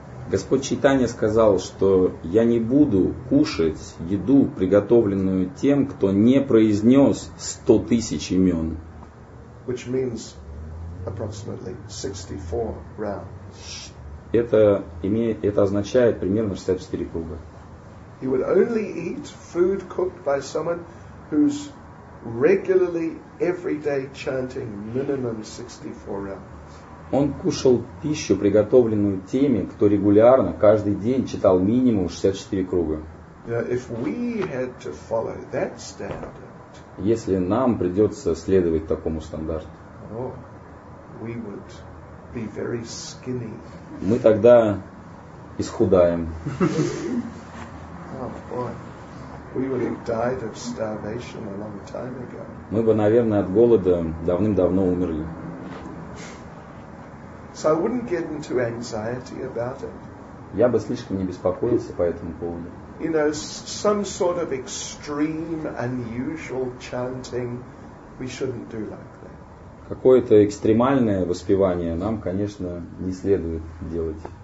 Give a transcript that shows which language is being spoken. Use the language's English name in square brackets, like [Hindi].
[Russian] Господь Чайтанья сказал, что я не буду кушать еду, приготовленную тем, кто не произнес 100,000 имен. [English] Which means approximately 64 rounds. [Russian] Это означает примерно 64 круга. [English] He would only eat food cooked by someone who's regularly every day chanting minimum 64 rounds. [Russian] Он кушал пищу, приготовленную теми, кто регулярно каждый день читал минимум 64 круга. [English] Now, if we had to follow that standard, [Russian] если нам придется следовать такому стандарту, [English] we would be very skinny. [Russian] Мы тогда исхудаем. [English] We would have died of starvation a long time ago. [Russian] Мы бы, наверное, от голода давным-давно умерли. [English] So I wouldn't get into anxiety about it. [Russian] Я бы слишком не беспокоился по этому поводу. [English] You know, some sort of extreme, unusual chanting, we shouldn't do like that. [Russian] Какое-то экстремальное воспевание нам, конечно, не следует делать.